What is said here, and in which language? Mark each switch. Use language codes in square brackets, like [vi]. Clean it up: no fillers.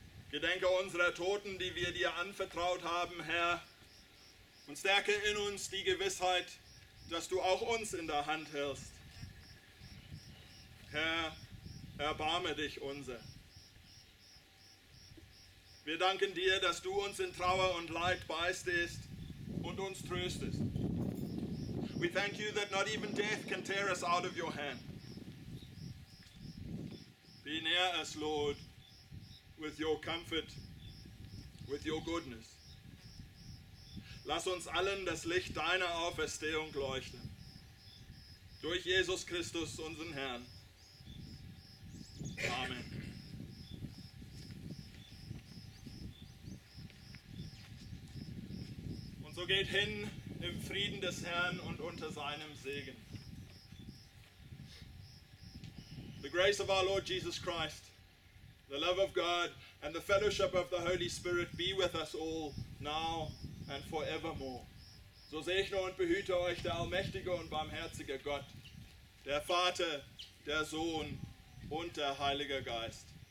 [de] Gedenke unserer Toten, die wir dir anvertraut haben, Herr, und stärke in uns die Gewissheit, dass du auch uns in der Hand hältst. Herr, erbarme dich unser. Wir danken dir, dass du uns in Trauer und Leid beistehst und uns tröstest. [en] We thank you that not even death can tear us out of your hand. Be near us, Lord, with your comfort, with your goodness. [de] Lass uns allen das Licht deiner Auferstehung leuchten. Durch Jesus Christus, unseren Herrn. Amen. Und so geht hin im Frieden des Herrn und unter seinem Segen. [en] The grace of our Lord Jesus Christ, the love of God, and the fellowship of the Holy Spirit be with us all, now and forevermore. [de] So segne und behüte euch der allmächtige und barmherzige Gott, der Vater, der Sohn und der Heilige Geist.